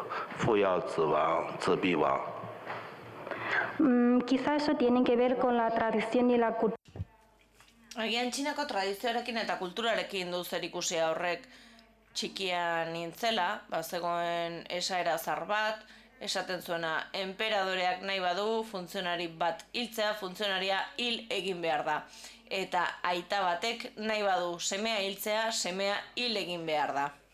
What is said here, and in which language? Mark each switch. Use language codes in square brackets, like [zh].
[zh] 我觉得跟中国的传统有关吧，因为呢，就是我当我在小的时候，中国有一句像一样俗话的一样的一个口头禅，叫君叫臣死，臣得死，父要子亡，子必亡。 [es] quizás eso tiene que ver con la tradición y la cultura. [eu] Agian Txinako tradizioarekin eta kulturarekin du zer ikusia horrek txikian nintzela, bazegoen esaera zar bat, esaten zuena enperadoreak nahi badu, funtzionari bat hiltzea, funtzionaria hil egin behar da. Eta aita batek nahi badu, semea hiltzea, semea hil egin behar da.